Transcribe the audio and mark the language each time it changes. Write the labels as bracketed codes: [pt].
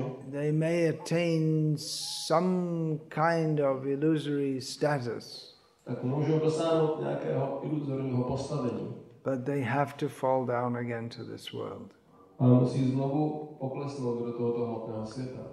[en] They may attain some kind of illusory status. [cs] Tak můžou dosáhnout nějakého iluzorního postavení. [en] But they have to fall down again to this world. [cs] Ale musí znovu poklesnout do tohoto hmotného světa.